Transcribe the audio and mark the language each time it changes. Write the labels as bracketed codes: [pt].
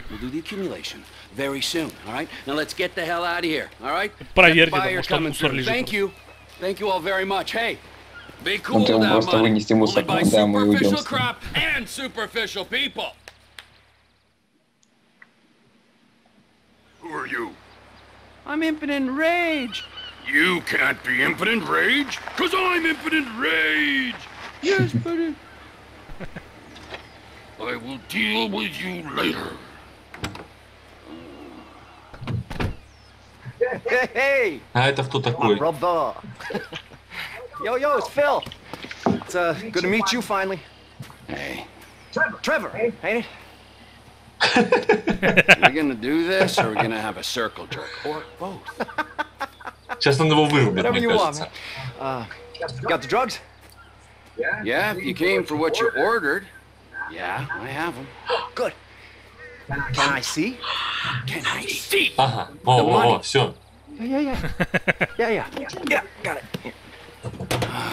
[en] Soon we'll do the accumulation. Very soon, all right? Now let's get the hell out of here, all right? [ru] Проверьте, потому что там мусор лежит. [en] Thank you. Thank you all very much. Hey, be cool now, buddy. [ru] Просто вынести мусор, когда мы уйдем. [en] We'll buy superficial crap and superficial people. Who are you? I'm Impotent Rage. You can't be Impotent Rage, because I'm Impotent Rage. Yes, buddy. I will deal with you later. Hey, hey, hey! [ru] А это кто такой? [en] Brother. Yo, it's Phil. It's good to meet you finally. Hey. Trevor. Hey. Ain't it? Are we gonna do this or are we gonna have a circle jerk or both? [ru] Сейчас он его вырубит, мне кажется. [en] Want, got the drugs? Yeah. If you came for what you ordered. Yeah, I have them. Good. Can I see? Can I see? [ru] Ага. О, все. [en] Yeah. Got it.